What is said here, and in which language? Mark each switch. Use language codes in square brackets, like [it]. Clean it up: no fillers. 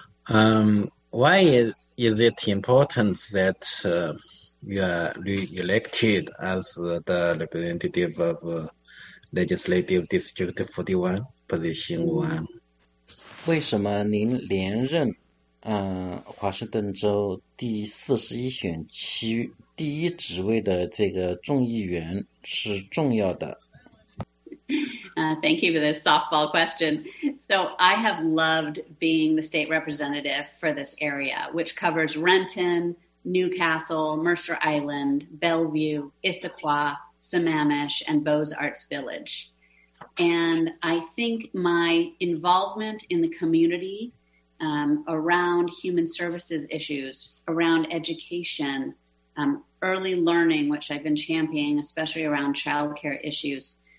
[en] Why is it important that you are re-elected as the representative of Legislative District 41 position 1? [zh] 为什么您连任华盛顿州第41选区第一职位的这个众议员是重要的？ [en] Thank you for this softball question. So I have loved being the state representative for this area, which covers Renton, Newcastle, Mercer Island, Bellevue, Issaquah, Sammamish, and Beaux-Arts Village. And I think my involvement in the community around human services issues, around education, early learning, which I've been championing, especially around childcare issues.